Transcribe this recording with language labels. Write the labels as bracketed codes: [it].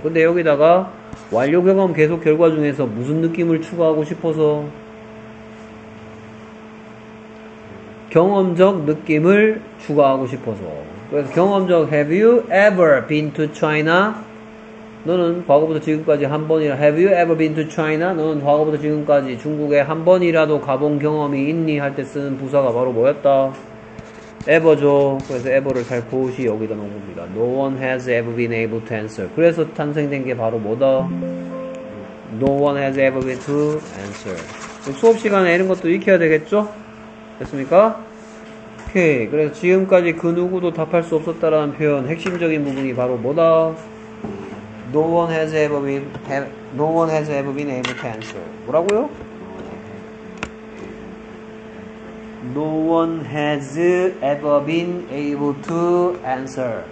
[ko] 근데 여기다가 완료 경험 계속 결과 중에서 무슨 느낌을 추가하고 싶어서 경험적 느낌을 추가하고 싶어서 그래서 경험적 [en] have you ever been to China? [ko] 너는 과거부터 지금까지 한 번이라 [en] have you ever been to China? [ko] 너는 과거부터 지금까지 중국에 한 번이라도 가본 경험이 있니? 할 때 쓰는 부사가 바로 뭐였다? ever죠. 그래서 ever를 살포시 여기다 놓은 겁니다. [en] No one has ever been able to answer. [ko] 그래서 탄생된 게 바로 뭐다? [en] No one has ever been to answer. [ko] 수업 시간에 이런 것도 익혀야 되겠죠? 됐습니까? 오케이. 그래서 지금까지 그 누구도 답할 수 없었다라는 표현 핵심적인 부분이 바로 뭐다? [en] No one has ever been no one has ever been able to answer. [ko] 뭐라고요? [en] No one has ever been able to answer.